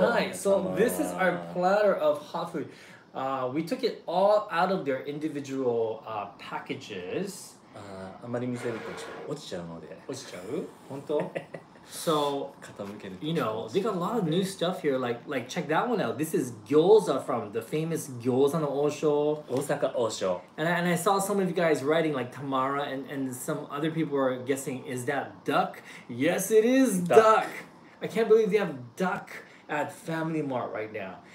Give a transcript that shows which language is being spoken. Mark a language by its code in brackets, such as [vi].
[en] はい、so this is our platter of hot food. We took it all out of their individual packages. [ja] あんまり見せるとちょっと落ちちゃうので。落ちちゃう？本当？So, 傾けると [en] You know, they got a lot of new stuff here. Like check that one out. This is gyoza from the famous gyoza no Osho. Osaka Osho. And I saw some of you guys writing like Tamara and some other people were guessing, is that duck? Yes, it is duck. I can't believe they have duck at Family Mart right now.